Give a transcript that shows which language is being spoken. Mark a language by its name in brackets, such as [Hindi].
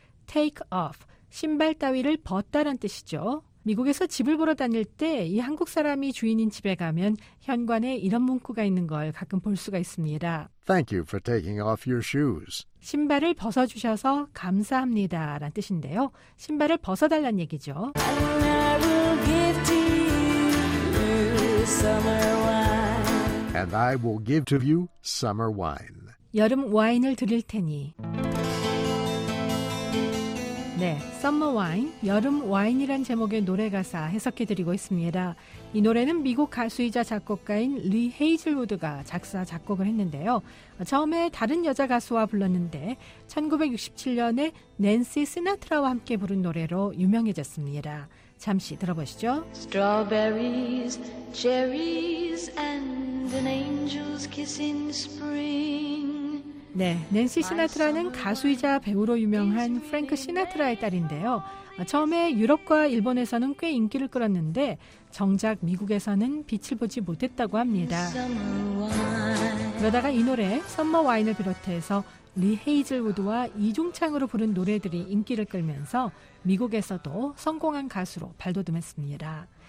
[Korean] Take off, 신발 따위를 벗다란 뜻이죠. 미국에서 집을 보러 다닐 때 이 한국 사람이 주인인 집에 가면 현관에 이런 문구가 있는 걸 가끔 볼 수가 있습니다. [English] Thank you for taking off your shoes. [Korean] 신발을 벗어주셔서 감사합니다. 라는 뜻인데요. 신발을 벗어달란 얘기죠. [English] And I will give to you summer wine. And I will give to you summer wine. [Korean] 여름 와인을 드릴 테니. 네, Summer Wine, 여름 와인이란 제목의 노래 가사 해석해드리고 있습니다. 이 노래는 미국 가수이자 작곡가인 리 헤이즐우드가 작사, 작곡을 했는데요. 처음에 다른 여자 가수와 불렀는데 1967년에 낸시 시나트라와 함께 부른 노래로 유명해졌습니다. 잠시 들어보시죠. [English] Strawberries, cherries, and an angel's kiss in spring. [Korean] 네, 낸시 시나트라는 가수이자 배우로 유명한 프랭크 시나트라의 딸인데요. 처음에 유럽과 일본에서는 꽤 인기를 끌었는데 정작 미국에서는 빛을 보지 못했다고 합니다. 그러다가 이 노래, 썸머 와인을 비롯해서 리 헤이즐우드와 이중창으로 부른 노래들이 인기를 끌면서 미국에서도 성공한 가수로 발돋움했습니다.